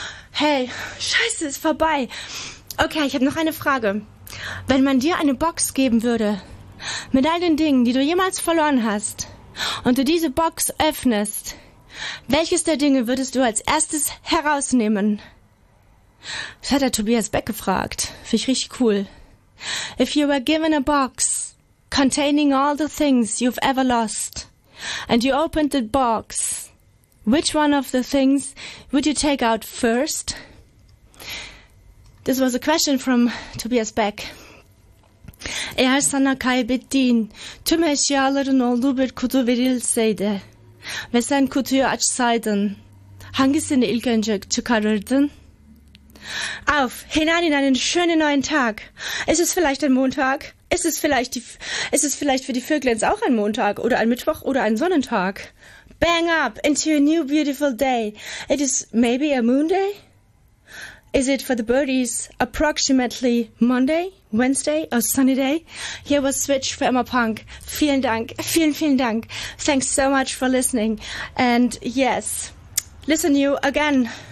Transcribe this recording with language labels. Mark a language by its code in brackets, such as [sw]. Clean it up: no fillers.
[de] Hey, scheiße, ist vorbei. Okay, ich habe noch eine Frage. Wenn man dir eine Box geben würde, mit all den Dingen, die du jemals verloren hast, und du diese Box öffnest, welches der Dinge würdest du als erstes herausnehmen? Das hat der Tobias Beck gefragt. Finde ich richtig cool. [en] If you were given a box containing all the things you've ever lost, and you opened the box, which one of the things would you take out first? This was a question from Tobias Beck. [tr] Eğer sana kaybettiğin tüm eşyaların olduğu bir kutu verilseydi ve sen kutuyu açsaydın, hangisini ilk önce çıkarırdın? [de] Auf, hinein in einen schönen neuen Tag. Ist es vielleicht ein Montag? Ist es vielleicht für die Vöglins auch ein Montag oder ein Mittwoch oder ein Sonnentag? [en] Bang up into a new beautiful day. It is maybe a moon day? Is it for the birdies approximately Monday, Wednesday or sunny day? Here was Switch for Emma Punk. [de] Vielen Dank. Vielen, vielen Dank. [en] Thanks so much for listening. And yes, listen you again.